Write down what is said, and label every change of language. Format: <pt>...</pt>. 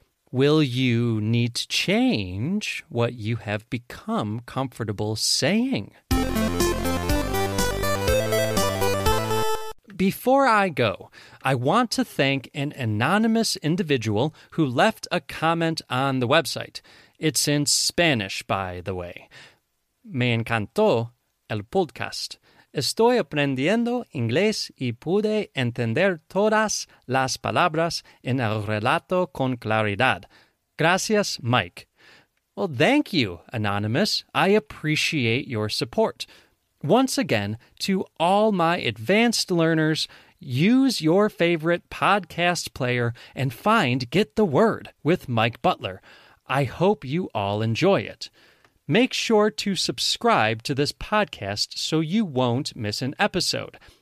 <en>Will you need to change what you have become comfortable saying? Before I go, I want to thank an anonymous individual who left a comment on the website. It's in Spanish, by the way.</en> <es>Me encantó el podcast. Estoy aprendiendo inglés y pude entender todas las palabras en el relato con claridad. Gracias, Mike.</es> <en>Well, thank you, Anonymous. I appreciate your support. Once again, to all my advanced learners, use your favorite podcast player and find Get the Word with Mike Butler. I hope you all enjoy it. Make sure to subscribe to this podcast so you won't miss an episode.</en>